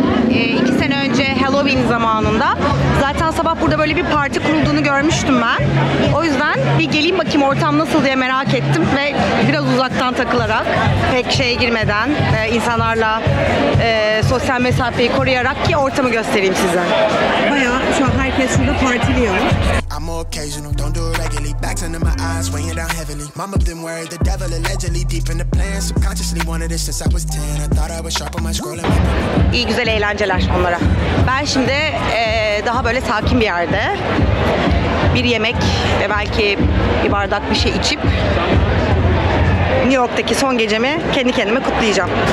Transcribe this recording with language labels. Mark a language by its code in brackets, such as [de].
[tr] 2 sene önce Halloween zamanında. Zaten sabah burada böyle bir parti kurulduğunu görmüştüm ben. O yüzden bir geleyim bakayım ortam nasıl diye merak ettim ve biraz uzaktan takılarak, pek şeye girmeden, insanlarla sosyal mesafeyi koruyarak ki ortamı göstereyim size. Bayağı şu an herkes burada partiliyor. [en] I'm more occasional, don't do it regularly. Backs under my eyes, weighing down heavily. Mama been worried, the devil allegedly deep in the plans. Subconsciously wanted it since I was 10. I thought I was sharp on my scrolling. [tr] İyi güzel eğlenceler onlara. Ben şimdi daha böyle sakin bir yerde bir yemek ve belki bir bardak bir şey içip New York'taki son gecemi kendi kendime kutlayacağım.